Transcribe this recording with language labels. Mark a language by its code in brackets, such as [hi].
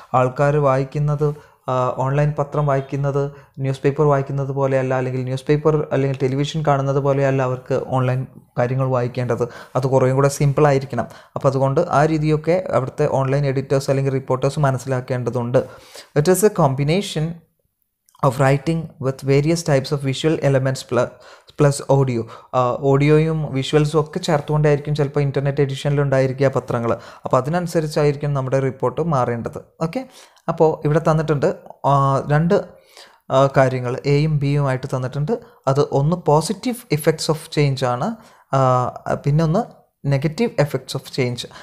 [ml] ആൾക്കാർ വായിക്കുന്നത് ഓൺലൈൻ പത്രം വായിക്കുന്നത് ന്യൂസ് പേപ്പർ വായിക്കുന്നത് പോലെയല്ല, അല്ലെങ്കിൽ ന്യൂസ് പേപ്പർ അല്ലെങ്കിൽ ടെലിവിഷൻ കാണുന്നത് പോലെയല്ല അവർക്ക് ഓൺലൈൻ കാര്യങ്ങൾ വായിക്കേണ്ടത്. അത് കുറേയും കൂടെ സിമ്പിളായിരിക്കണം. അപ്പോൾ അതുകൊണ്ട് ആ രീതിയൊക്കെ അവിടുത്തെ ഓൺലൈൻ എഡിറ്റേഴ്സ് അല്ലെങ്കിൽ റിപ്പോർട്ടേഴ്സ് മനസ്സിലാക്കേണ്ടതുണ്ട്. [en] It is a combination of writing with various types of visual elements plus audio. [ml] ഓഡിയോയും വിഷ്വൽസും ഒക്കെ ചേർത്തുകൊണ്ടായിരിക്കും ചിലപ്പോൾ ഇൻ്റർനെറ്റ് എഡിഷനിലുണ്ടായിരിക്കുക പത്രങ്ങൾ. അപ്പോൾ അതിനനുസരിച്ചായിരിക്കും നമ്മുടെ റിപ്പോർട്ട് മാറേണ്ടത്. ഓക്കെ, അപ്പോൾ ഇവിടെ തന്നിട്ടുണ്ട് രണ്ട് കാര്യങ്ങൾ, എയും ബിയും ആയിട്ട് തന്നിട്ടുണ്ട്. അത് ഒന്ന് [en] positive effects of change [ml] ആണ്, പിന്നെ ഒന്ന് [en] Negative effects of change.